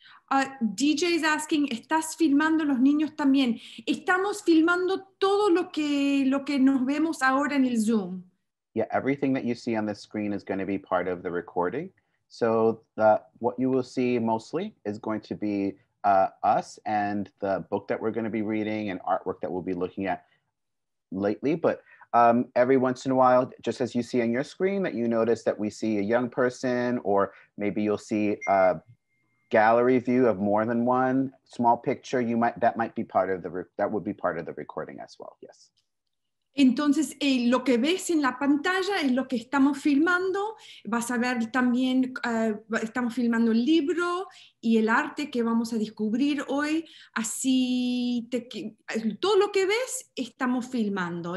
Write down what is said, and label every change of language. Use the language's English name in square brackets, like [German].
[English] DJ is asking, [Spanish] ¿estás filmando los niños también? Estamos filmando todo lo que nos vemos ahora en el Zoom. [English] Yeah, everything that you see on the screen is going to be part of the recording. So what you will see mostly is going to be us and the book that we're going to be reading and artwork that we'll be looking at lately. But every once in a while, just as you see on your screen, that you notice that we see a young person, or maybe you'll see a gallery view of more than one small picture, that would be part of the recording as well. Yes. [Spanish] Entonces, lo que ves en la pantalla es lo que estamos filmando. Vas a ver también, estamos filmando el libro y el arte que vamos a descubrir hoy. Así, todo lo que ves, estamos filmando.